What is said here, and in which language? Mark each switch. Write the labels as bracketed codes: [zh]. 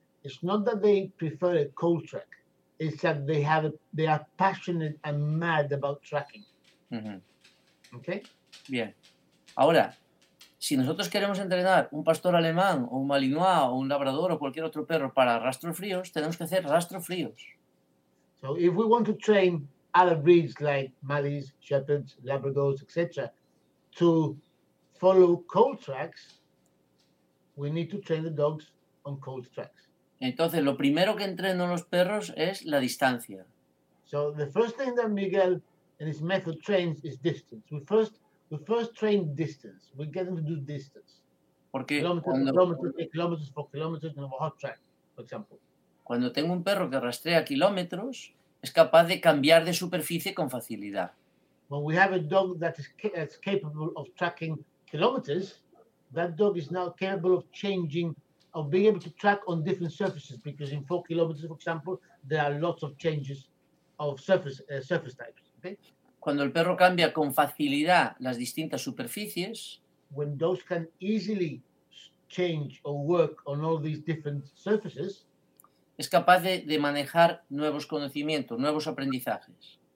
[en] It's not that they prefer a cold track; it's that they have they are passionate and mad about tracking. Mm-hmm. Okay. [es] Bien. Ahora, si nosotros queremos entrenar un pastor alemán o un malinois o un labrador o cualquier otro perro para rastros fríos, tenemos que hacer rastros fríos. [en] So if we want to train other breeds like Malinois, Shepherds, Labradors, etc., to follow cold tracks, we need to train the dogs on cold tracks. [es] Entonces, lo primero que entreno los perros es la distancia. [en] So the first thing that Miguel and his method trains is distance. We first train distance. We get them to do distance. [es] Porque [en] kilometers for kilometers in a hot track, for example. [es] Cuando tengo un perro que rastrea kilómetros, es capaz de cambiar de superficie con facilidad. [en] When we have a dog that is capable of tracking kilometers, that dog is now capable of changing, of being able to track on different surfaces, because in 4 kilometers, for example, there are lots of changes of surface types. Okay? [es] Cuando el perro cambia con facilidad las distintas superficies, [en] when dogs can easily change or work on all these different surfaces, [es] es capaz de manejar nuevos conocimientos, nuevos aprendizajes.